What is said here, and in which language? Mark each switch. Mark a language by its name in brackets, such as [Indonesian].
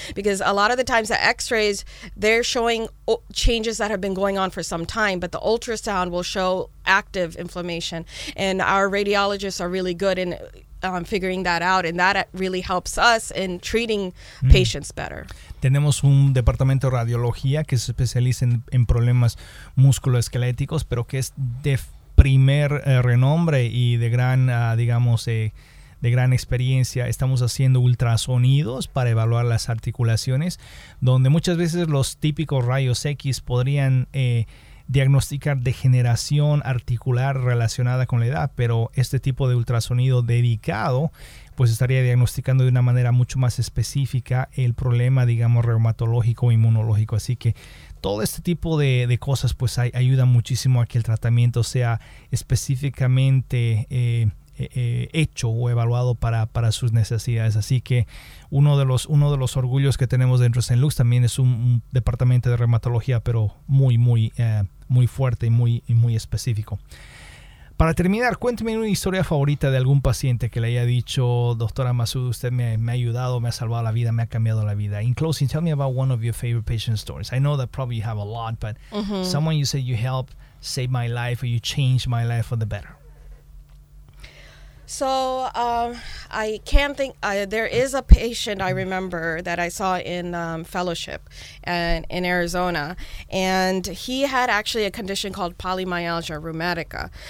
[English] Because a lot of the times the x-rays, they're showing changes that have been going on for some time. But the ultrasound will show active inflammation. And our radiologists are really good in figuring that out, and that really helps us in treating patients better. [Spanish] Tenemos un departamento de radiología que se especializa en problemas musculoesqueléticos, pero que es de primer renombre y de gran, de gran experiencia. Estamos haciendo ultrasonidos para evaluar las articulaciones, donde muchas veces los típicos rayos X podrían diagnosticar degeneración articular relacionada con la edad, pero este tipo de ultrasonido dedicado pues estaría diagnosticando de una manera mucho más específica el problema, digamos, reumatológico o inmunológico. Así que todo este tipo de cosas pues ayuda muchísimo a que el tratamiento sea específicamente hecho o evaluado para sus necesidades. Así que uno de los orgullos que tenemos dentro de St. Luke's también es un departamento de reumatología, pero muy fuerte y muy específico. Para terminar, cuénteme una historia favorita de algún paciente que le haya dicho: doctora Masood, usted me ha ayudado, me ha salvado la vida, me ha cambiado la vida. [English] In closing, tell me about one of your favorite patient stories. I know that probably you have a lot, but someone you said you helped save my life or you changed my life for the better. So I can't think. There is a patient I remember that I saw in fellowship in Arizona, and he had actually a condition called polymyalgia rheumatica,